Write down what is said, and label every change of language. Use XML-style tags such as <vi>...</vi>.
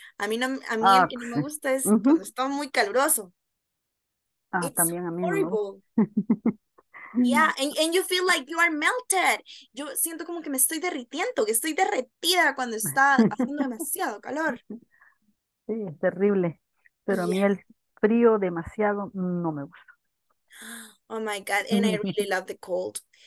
<es>A mí que no me gusta es cuando está muy caluroso. También a mí horrible. No.</es> <en>Yeah, and you feel like you are melted.</en> <es>Yo siento como que me estoy derritiendo, que estoy derretida cuando está haciendo demasiado calor. Sí, es terrible. Pero yeah. A mí el frío demasiado no me gusta.</es> <en>Oh my God, and I really love the cold.</en>